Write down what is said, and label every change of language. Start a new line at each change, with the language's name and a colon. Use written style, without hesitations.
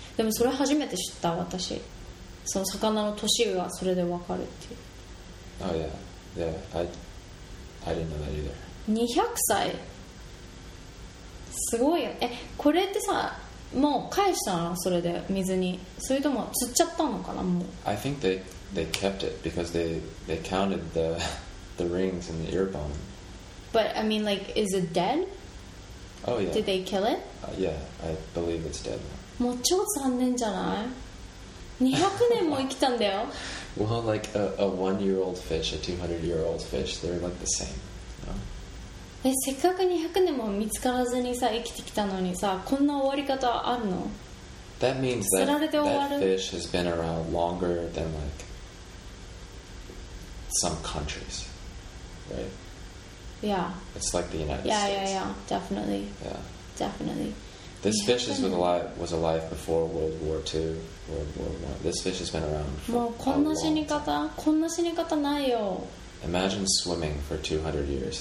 Japanese: でもそれ初めて知った私。その魚の年がそれでわかるっていう。
English: Oh yeah, yeah. I didn't know that either.
Japanese: 200歳。すごいよ。え、これってさ、もう返したのそれで水に。それとも釣っちゃったのかなもう。
English: I think they kept it because they counted the rings and the ear bone. But I mean, like, is it dead? Oh yeah. Did they kill it? Yeah, I believe it's dead.
Japanese: もう超残念じゃない？200年も生きたんだよ。
English: Well, like a one-year-old fish, a 200-year-old fish, they're like the same. No?
Japanese: え、せっかく200年も見つからずにさ生きてきたのにさ、こんな終わり方あるの？
English: That means that fish has been around longer than like some countries, right? Yeah. It's like the United States. Yeah, definitely. Yeah, definitely. This fish was alive before World War II. This fish has been around Imagine swimming for 200 years.